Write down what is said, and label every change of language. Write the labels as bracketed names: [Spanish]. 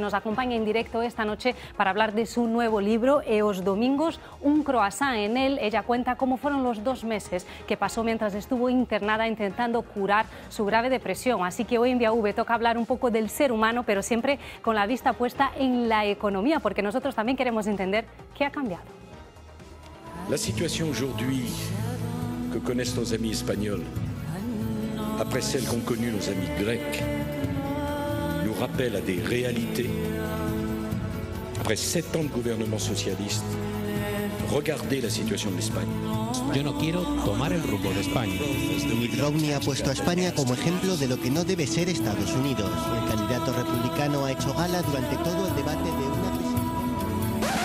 [Spanish] Se nos acompaña en directo esta noche para hablar de su nuevo libro, E os domingos, un croissant. En él, ella cuenta cómo fueron los 2 meses que pasó mientras estuvo internada intentando curar su grave depresión. Así que hoy en Vía V toca hablar un poco del ser humano, pero siempre con la vista puesta en la economía, porque nosotros también queremos entender qué ha cambiado. [French] La situación aujourd'hui que connaissent nos amis espagnols, après celle qu'ont connue nos amis grecs, nous rappelle à des réalités. Après 7 ans de gouvernement socialiste, regardez la situation de l'Espagne. [Spanish] Yo no quiero tomar el rumbo de España. Mitt Romney ha puesto a España como ejemplo de lo que no debe ser Estados Unidos. El candidato republicano ha hecho gala durante todo el debate de una...